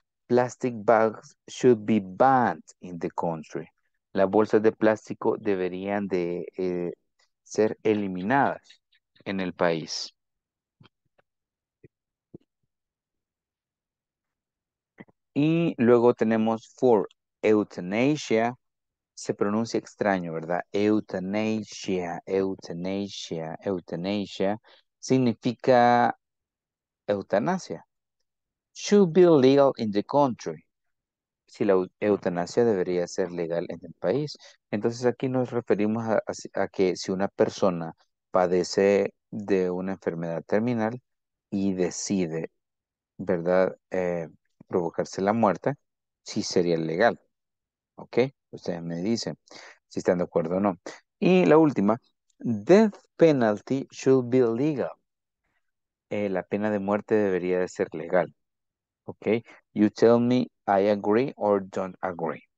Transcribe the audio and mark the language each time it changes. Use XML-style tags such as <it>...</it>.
<en>Plastic bags should be banned in the country.</en> <es>Las bolsas de plástico deberían de ser eliminadas en el país. Y luego tenemos for eutanasia. Se pronuncia extraño, ¿verdad? Eutanasia, eutanasia, eutanasia. Significa eutanasia.</es> <en>Should be legal in the country.</en> <es>Si la eutanasia debería ser legal en el país. Entonces aquí nos referimos a que si una persona padece de una enfermedad terminal y decide, ¿verdad?, provocarse la muerte, sí sería legal. ¿Ok? Ustedes me dicen si están de acuerdo o no. Y la última,</es> <en>death penalty should be legal.</en> <es>La pena de muerte debería de ser legal. ¿Ok?</es> <en>You tell me I agree or don't agree.</en>